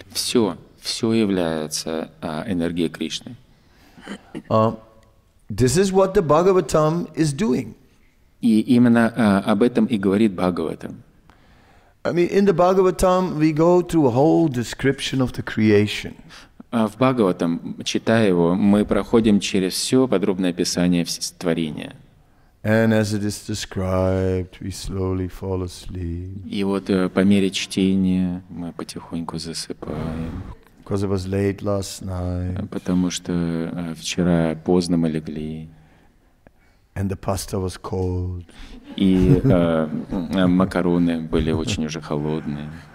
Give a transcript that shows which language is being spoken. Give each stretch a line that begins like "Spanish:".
Russian: Всё является энергией Кришны.
English: This is what the Bhagavatam is doing.
Russian: И именно об этом и говорит Бхагаватам.
English: I mean, in the Bhagavatam, we go through a whole description of the creation.
Russian: В Бхагаватам, читая его, мы проходим через все подробное описание творения.
English: And as it is described, we slowly fall asleep.
Russian: И вот по мере чтения мы потихоньку засыпаем.
English: Because it was late last night.
Russian: Потому что вчера поздно мы легли.
English: And the pasta was cold.
Russian: И макароны были очень уже холодные.